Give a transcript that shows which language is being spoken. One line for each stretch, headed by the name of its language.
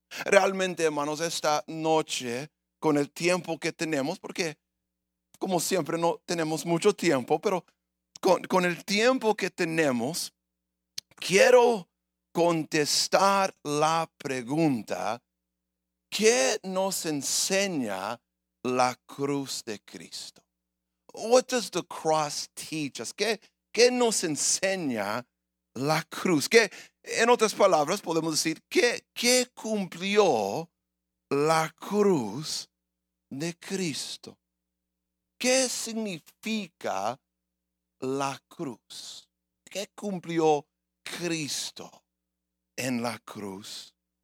Spanish: Realmente, hermanos, esta noche, con el tiempo que tenemos, porque como siempre no tenemos mucho tiempo, pero con el tiempo que tenemos, quiero contestar la pregunta: ¿qué nos enseña la cruz de Cristo?
English: What does the cross teach us?
Spanish: ¿Qué nos enseña la cruz? ¿Qué, en otras palabras, podemos decir, ¿qué cumplió la cruz de Cristo? ¿Qué significa la cruz? ¿Qué cumplió Cristo en la cruz?